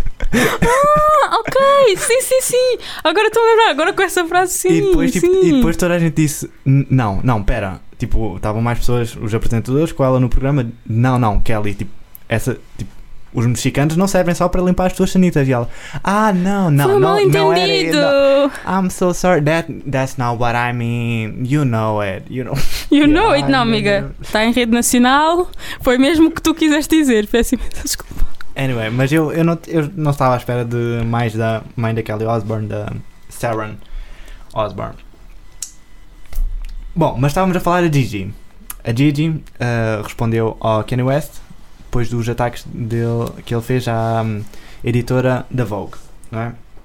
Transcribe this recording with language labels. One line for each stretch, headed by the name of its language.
Portuguese: Ah, ok, sim, sim, sim. Agora estou a lembrar, agora com essa frase sim. E depois, tipo, sim. E depois toda a gente disse não, pera, tipo, estavam mais pessoas, os apresentadores com ela no programa. Não, Kelly, tipo, essa, tipo, os mexicanos não servem só para limpar as tuas sanitas. E ela, ah, não, foi não, mal não, entendido. Não era,
English: I'm so sorry, that's not what I mean. You know it. You know it,
Portuguese: não, amiga. Está em rede nacional, foi mesmo o que tu quiseste dizer. Peço imensa desculpa. Anyway, mas eu não estava à espera de mais da mãe da Kelly Osborne, da Sharon Osborne. Bom, mas estávamos a falar da Gigi. A Gigi respondeu ao Kanye West depois dos ataques dele, que ele fez à editora da Vogue, não é?